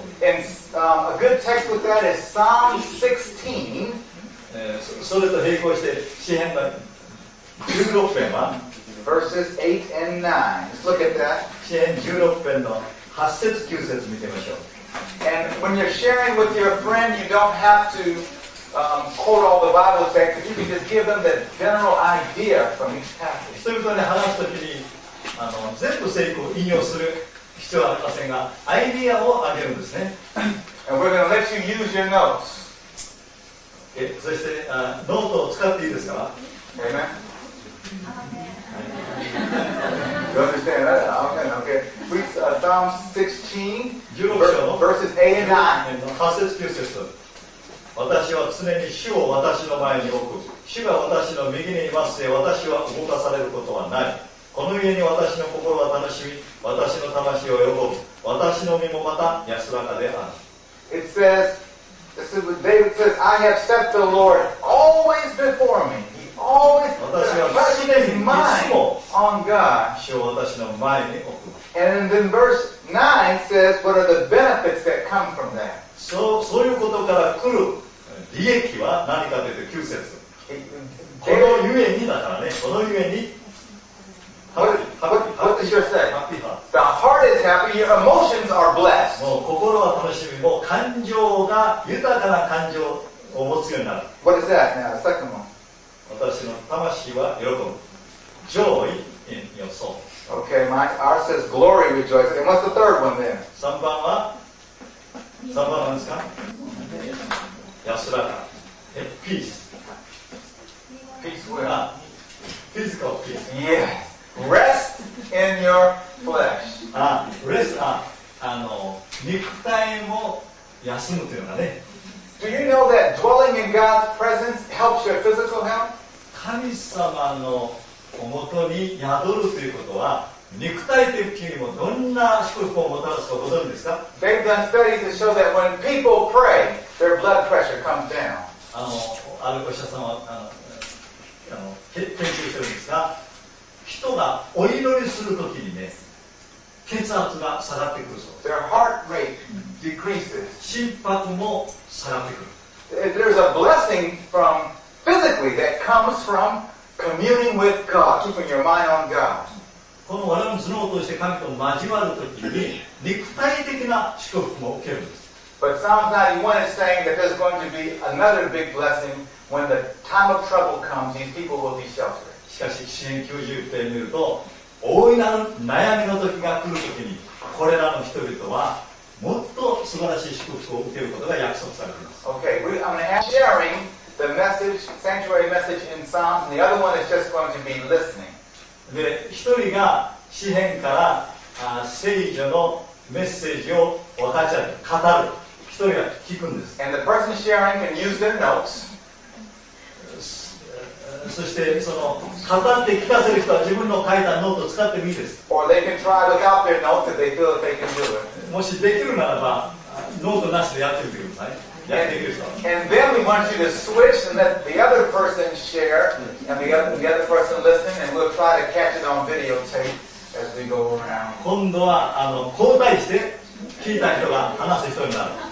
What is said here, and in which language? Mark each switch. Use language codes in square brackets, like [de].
[en] And a good text with that is Psalm 16. [ja] それと並行して詩編の十六編は [en] Verses 8 and 9. Let's look at that. [ja] 詩編十六編の八節九節見てみましょう。 [en] And when you're sharing with your friend, you don't have to quote all the Bible texts. You can just give them the general idea from each passage. [ja] そういうことで話すときに全部聖句を引用する。必要はありませんが、アイディアをあげるんですね。 [en] And we're gonna let you use your notes. Okay. [ja] そして、ノートを使っていいですか [en] Amen. You understand that? Okay, okay. Please, Psalm 16, [ja] 16章 [en] verses 8 and 9. [ja] 八節九節。私は常に主を私の前に置く。主が私の右にいますせ、私は動かされることはない。この家に私の心は楽しみ、私の魂を喜ぶ、私の身もまた安らかである。 [en] It says, this is what David says, I have set the Lord always before me. He always puts his mind on God. [ja] 主を私の前に置く。 [en] And then verse 9 says, what are the benefits that come from that? [ja] そういうことから来る利益は何かというと9節。このゆえにだからね、このゆえに。 [en] What does your say? The heart is happy, your emotions are blessed. [ja] もう心は楽しみ、もう感情が豊かな感情を持つようになる。 [en] What is that? Now, second one. [ja] 私の魂は喜ぶ。 [en] Joy in your soul. Okay, my heart says glory rejoice. And what's the third one then? [ja] 3番は ?3 番なんですか安らか。 [en] Peace. Peace where? Physical peace. Yes. Rest in your flesh. [ja] Rest, 肉体も休むというのがね。 [en] Do you know that dwelling in God's presence helps your physical health? [ja] 神様のおもとに宿るということは、肉体的にもどんな祝福をもたらすかご存知ですか? [en] They've done studies to show that when people pray, their blood pressure comes down. [ja] あるお医者様は、研究しているんですが、人がお祈りするときにね、血圧が下がってくるそうです。 [en] Their heart rate decreases. [ja] 心拍も下がってくる。 [en] There's a blessing from physically that comes from communing with God, keeping your mind on God. [ja] この我々の頭脳として神と交わるときに、肉体的な祝福も受けるんです。 [en] But Psalm 91 is saying that there's going to be another big blessing when the time of trouble comes, these people will be sheltered. [ja] しかし詩編九十編を見ると大いなる悩みの時が来るときにこれらの人々はもっと素晴らしい祝福を受けることが約束されています。 [en] Okay, I'm going to be sharing the message, sanctuary message in Psalms, and the other one is just going to be listening. [ja] で、一人が詩編から聖女のメッセージを分かち合って語る。一人が聞くんです。 [en] And the person sharing can use their notes. [ja] そしてその語って聞かせる人は自分の書いたノートを使ってもいいです。 [en] Or they can try without their notes if they feel that they can do it. [ja] もしできるならばノートなしでやってみてください。やってみる人は。 [en] And then we want you to switch and let the other person share and the other person listen and we'll try to catch it on videotape as we go around. [ja] 今度は交代して聞いた人が話す人になる。